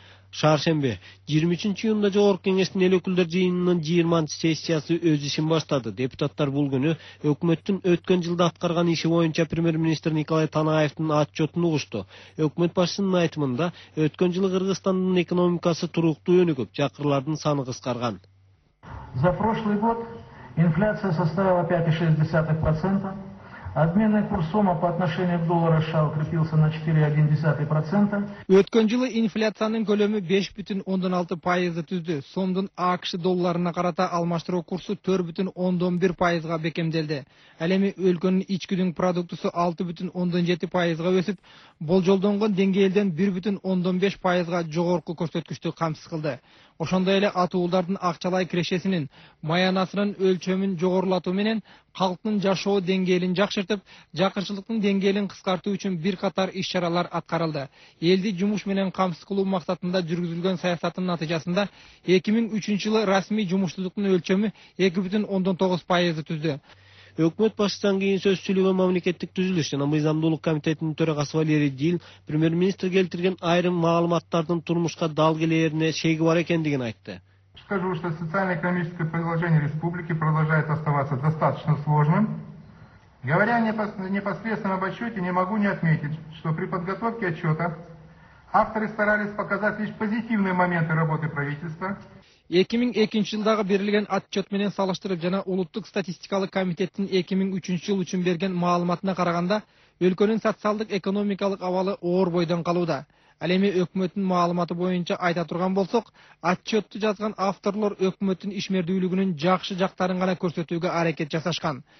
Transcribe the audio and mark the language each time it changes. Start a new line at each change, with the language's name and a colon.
Kyrgyz: Шаршемби 23-июнда Жогорку кеңештин эл өкүлдөр жыйынынын 20-сессиясы өз ишин баштады. Депутаттар бул күнү өкмөттүн өткөн жылда аткарган иши боюнча премьер министр Николай Танаевдин отчетун угушту. Өкмөт башчысынын айтымында өткөн жылы Кыргызстандын экономикасы туруктуу өнүгүп, чакырлардын саны кыскарган.
Russian: За прошлый год инфляция составила 5,6%. Обменный курс сома по отношению к доллару США укрепился на 4,1%.
Kyrgyz: Өткөн жылы инфляциянын көлөмү 5,6% түздү. Сомдун АКШ долларына карата алмаштыруу курсу 4,1%га бекемделди. Ал эми өлкөнүн ичкидүн продуктусу 6,7%га өсүп, болжолдонгон деңгээлден 1,5%га жогорку көрсөткүчтү камсыз кылды. Ошондой эле атуулдардын акчалай кирешесинин маянасынын өлчөмүн жогорулатуу менен калктын жашоо деңгээлин жакшыртып, жакырчылыктын деңгээлин кыскартуу үчүн бир катар иш чаралар аткарылды. Элди жумуш менен камсыз кылуу максатында жүргүзүлгөн саясаттын натыйжасында 2003-жылы расмий жумушсуздуктун өлчөмү 2,9% түздү. Өкмөт башчысынан кийин сөз сүйлөгөн мамлекеттик түзүлүш жана мыйзамдуулук комитетинин төрагасы Валерий Дил премьер министр келтирген айрым маалыматтардын турмушка дал келээрине шеги бар экендигин айтты.
Russian: Скажу, что социально-экономическое положение республики продолжает оставаться достаточно сложным. Говоря непосредственно об отчете, не могу не отметить, что при подготовке отчета Авторы старались показать лишь позитивные моменты работы правительства.
Kyrgyz: 2002 жылдагы берилген отчет менен салыштырып жана улуттук статистикалык комитеттин 2003 жыл үчүн берген маалыматына караганда өлкөнүн социалдык экономикалык абалы оор бойдон калууда. Ал эми өкмөттүн маалыматы боюнча айта турган болсок, отчетту жазган авторлор өкмөттүн ишмердүүлүгүнүн жакшы жактарын гана көрсөтүүгө аракет жасашкан.